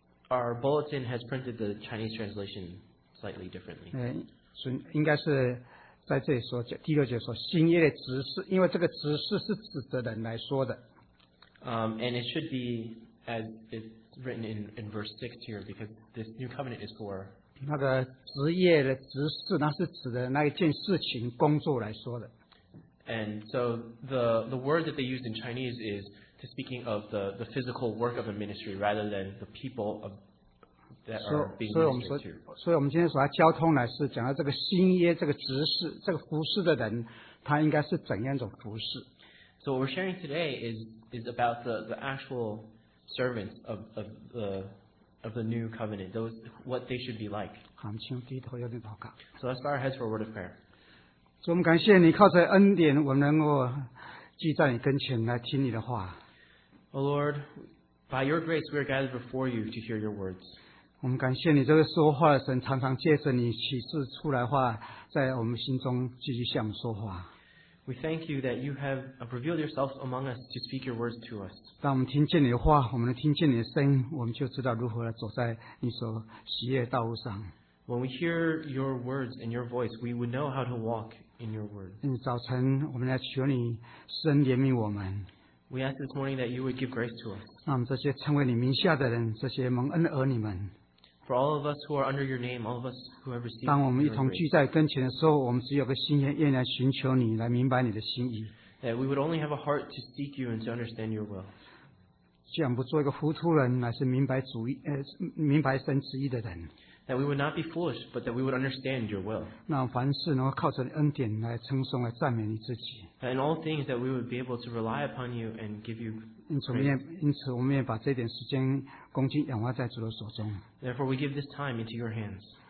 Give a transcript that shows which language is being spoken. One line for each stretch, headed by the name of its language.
English: Our bulletin has printed the Chinese translation slightly differently.
Chinese: 应该是在这里说第六节说新业的职事，因为这个职事是指的人来说的。
English: And it should be as it's written in verse 6 here, because this new covenant is for
Chinese: 那个职业的职事，那是指的那一件事情工作来说的。
English: And so the word that they used in Chinese is to speaking of the physical work of a ministry rather than the people of that are being ministered to.
Chinese: 所以我们今天所要交通呢，是讲到这个新约这个执事这个服事的人，他应该是怎样一种服事。
English: So what we're sharing today is about the actual servants of the new covenant, those what they should be like.
Chinese: 好，我们请低头有点祷告。
English: So let's bow our heads for a word of prayer.
Chinese: 主，我们感谢你，靠着恩典，我们能够聚在你跟前来听你的话。
English: O Lord, by your grace, we are gathered before you to hear your words.
Chinese: 我们感谢你，这个说话的神常常借着你启示出来的话，在我们心中继续向我们说话。
English: We thank you that you have revealed yourself among us to speak your words to us.
Chinese: 当我们听见你的话，我们能听见你的声音，我们就知道如何走在你所喜悦的道路上。
English: When we hear your words and your voice, we would know how to walk in your word.
Chinese: 早晨我们来求你施恩怜悯我们。
English: We ask this morning that you would give grace to us.
Chinese: 让我们这些称为你名下的人，这些蒙恩的儿女们。
English: For all of us who are under your name, all of us who have received.
Chinese: 当我们一同聚在跟前的时候，我们只有个心愿，愿来寻求你，来明白你的心意。
English: That we would only have a heart to seek you and to understand your will.
Chinese: 既然不做一个糊涂人，乃是明白神旨意的人。
English: that we would not be foolish, but that we would understand your will.
Chinese: 让凡事能够靠着恩典来称颂来赞美你自己。
English: And all things that we would be able to rely upon you and give you praise. Therefore, we give this time into your hands.